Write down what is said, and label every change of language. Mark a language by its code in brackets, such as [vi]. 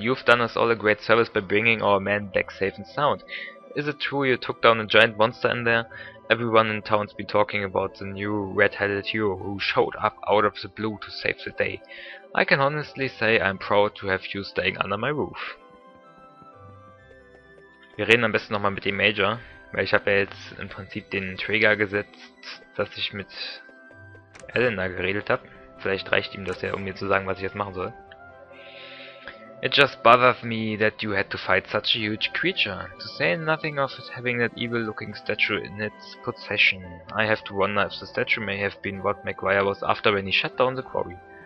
[en] You've done us all a great service by bringing our man back safe and sound. Is it true you took down a giant monster in there? Everyone in town's been talking about the new red-headed hero who showed up out of the blue to save the day. I can honestly say I'm proud to have you staying under my roof. [de] Wir reden am besten nochmal mit dem Major, weil ich habe ja jetzt im Prinzip den Trigger gesetzt, dass ich mit Elena geredet habe. Vielleicht reicht ihm das ja, um mir zu sagen, was ich jetzt machen soll. [en] It just bothers me that you had to fight such a huge creature. To say nothing of it having that evil-looking statue in its possession. I have to wonder if the statue may have been what Maguire was after when he shut down the quarry.